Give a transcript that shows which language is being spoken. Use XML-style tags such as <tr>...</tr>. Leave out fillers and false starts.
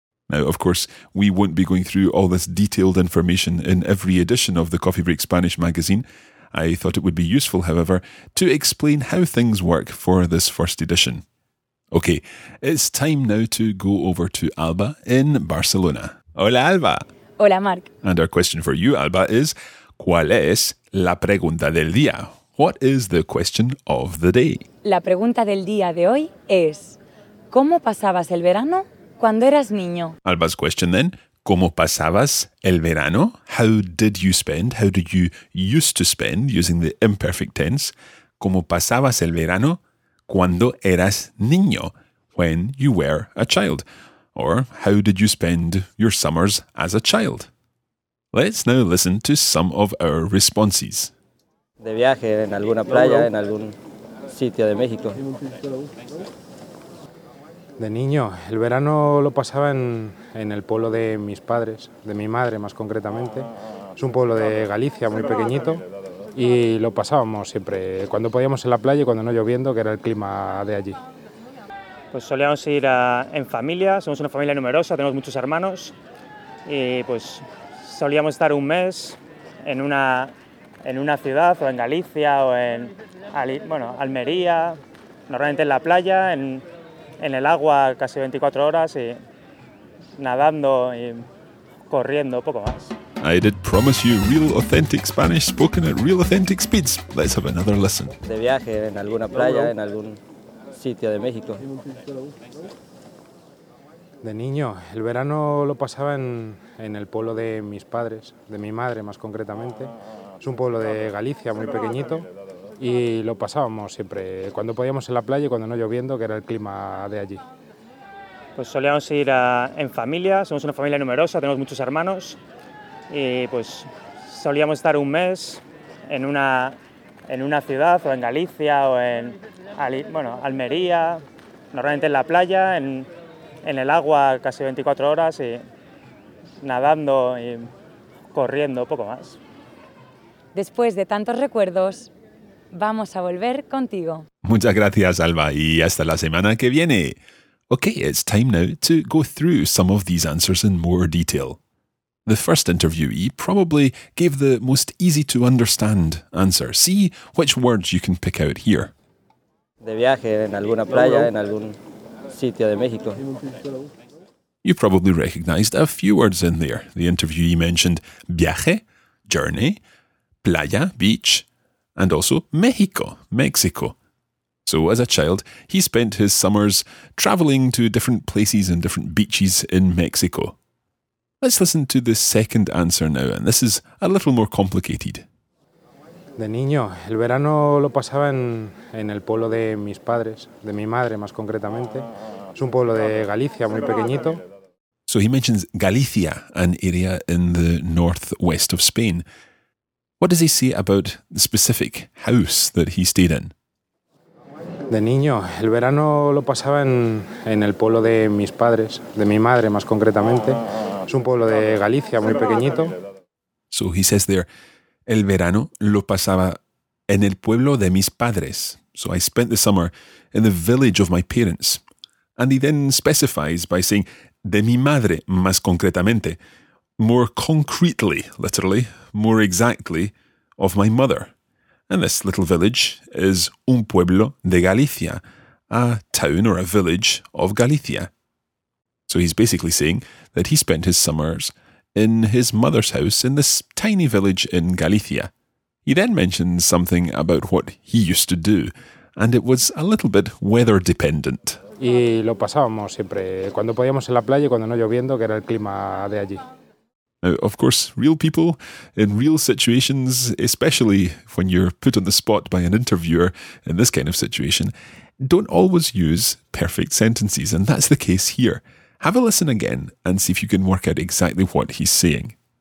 <en>Now, of course, we won't be going through all this detailed information in every edition of the Coffee Break Spanish magazine. I thought it would be useful, however, to explain how things work for this first edition. Okay, it's time now to go over to Alba in Barcelona.</en> <es>Hola, Alba. Hola, Mark.</es> <en>And our question for you, Alba, is...</en> <es>¿Cuál es la pregunta del día?</es> <en>What is the question of the day?</en> <es>La pregunta del día de hoy es ¿Cómo pasabas el verano cuando eras niño?</es> <en>Alba's question then,</en> <es>¿Cómo pasabas el verano?</es> <en>How did you spend? How did you used to spend using the imperfect tense?</en> <es>¿Cómo pasabas el verano cuando eras niño?</es> <en>When you were a child. Or how did you spend your summers as a child? Let's now listen to some of our responses.</en> <es>De viaje en alguna playa, en algún sitio de México. De niño, el verano lo pasaba en el pueblo de mis padres, de mi madre más concretamente. Es un pueblo de Galicia, muy pequeñito, y lo pasábamos siempre, cuando podíamos en la playa y cuando no lloviendo, que era el clima de allí. Pues solíamos ir en familia, somos una familia numerosa, tenemos muchos hermanos, y pues solíamos estar un mes en una ciudad, o en Galicia, o en Almería, normalmente en la playa, en el agua casi 24 horas y nadando y corriendo, poco más.</es> <en>I did promise you real authentic Spanish spoken at real authentic speeds. Let's have another listen.</en> <es>De viaje en alguna playa, en algún sitio de México. De niño, el verano lo pasaba en el pueblo de mis padres, de mi madre más concretamente. Es un pueblo de Galicia, muy pequeñito. Y lo pasábamos siempre, cuando podíamos en la playa y cuando no lloviendo, que era el clima de allí. Pues solíamos ir en familia, somos una familia numerosa, tenemos muchos hermanos, y pues solíamos estar un mes en una ciudad, o en Galicia, o en Almería, normalmente en la playa, en el agua casi 24 horas, y nadando y corriendo, poco más. Después de tantos recuerdos, vamos a volver contigo. Muchas gracias, Alba, y hasta la semana que viene.</es> <en>Okay, it's time now to go through some of these answers in more detail. The first interviewee probably gave the most easy to understand answer. See which words you can pick out here.</en> <es>De viaje en alguna playa, en algún sitio de México.</es> <en>You probably recognized a few words in there. The interviewee mentioned viaje, journey, playa, beach, and also México, Mexico. So as a child, he spent his summers traveling to different places and different beaches in Mexico. Let's listen to the second answer now, and this is a little more complicated.</en> <es>De niño, el verano lo pasaba en el pueblo de mis padres, de mi madre más concretamente. Es un pueblo de Galicia, muy pequeñito.</es> <en>So he mentions Galicia, an area in the northwest of Spain. What does he say about the specific house that he stayed in?</en> <es>De niño, el verano lo pasaba en el pueblo de mis padres, de mi madre más concretamente. Es un pueblo de Galicia, muy pequeñito.</es> <en>So he says there,</en> <es>el verano lo pasaba en el pueblo de mis padres.</es> <en>So I spent the summer in the village of my parents. And he then specifies by saying,</en> <es>de mi madre más concretamente.</es> <en>More concretely, literally, more exactly, of my mother. And this little village is</en> <es>un pueblo de Galicia,</es> <en>a town or a village of Galicia. So he's basically saying that he spent his summers in his mother's house in this tiny village in Galicia. He then mentions something about what he used to do, and it was a little bit weather dependent.</en> <es>Y lo pasábamos siempre, cuando podíamos en la playa y cuando no lloviendo, que era el clima de allí.</es> <en>Now, of course, real people in real situations, especially when you're put on the spot by an interviewer in this kind of situation, don't always use perfect sentences, and that's the case here. Have a listen again and see if you can work out exactly what he's saying.</en>